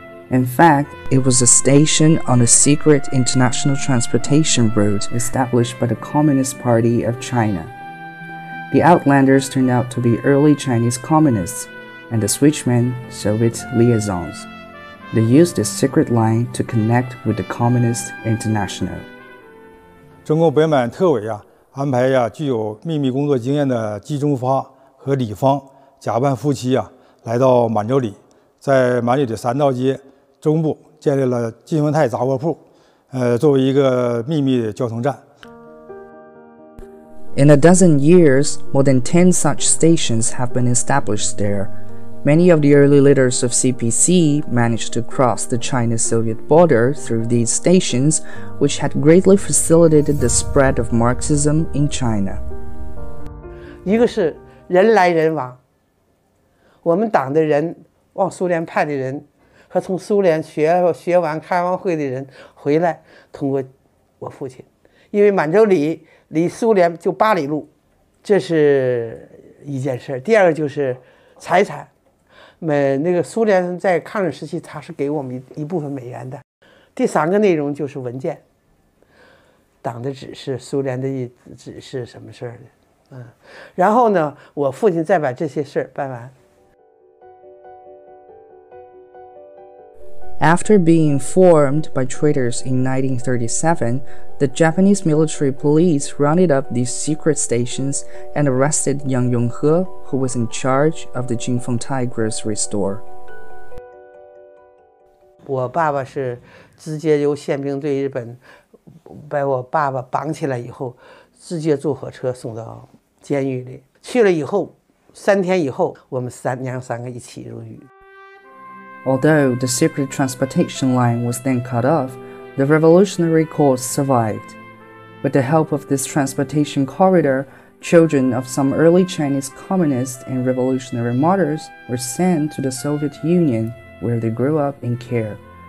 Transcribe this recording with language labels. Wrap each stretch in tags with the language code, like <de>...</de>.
<en>In fact, it was a station on a secret international transportation route established by the Communist Party of China. The outlanders turned out to be early Chinese communists, and the switchmen, Soviet liaisons. They used this secret line to connect with the Communist International.</en> <zh>中共北满特委啊，安排呀、啊、具有秘密工作经验的季中发和李芳假扮夫妻啊，来到满洲里，在满里的三道街中部建立了金文泰杂货铺，作为一个秘密的交通站。</zh> <en>In a dozen years, more than 10 such stations have been established there. Many of the early leaders of CPC managed to cross the China-Soviet border through these stations, which had greatly facilitated the spread of Marxism in China.</en> <zh>一个是人来人往，我们党的人往苏联派的人和从苏联学完开完会的人回来，通过我父亲，因为满洲里离苏联就八里路，这是一件事。第二个就是财产，那个苏联在抗日时期他是给我们一部分美元的。第三个内容就是文件，党的指示，苏联的指示什么事儿的，然后呢，我父亲再把这些事儿办完。</zh> <en>After being formed by traitors in 1937, the Japanese military police rounded up these secret stations and arrested Yang Yonghe, who was in charge of the Jingfengtai grocery store.</en> <zh>我爸爸是直接由宪兵对日本把我爸爸绑起来以后，直接坐火车送到监狱里。去了以后，三天以后，我们三娘三个一起入狱。</zh> <en>Although the secret transportation line was then cut off, the Revolutionary Court survived. With the help of this transportation corridor, children of some early Chinese communists and revolutionary martyrs were sent to the Soviet Union, where they grew up in care.</en>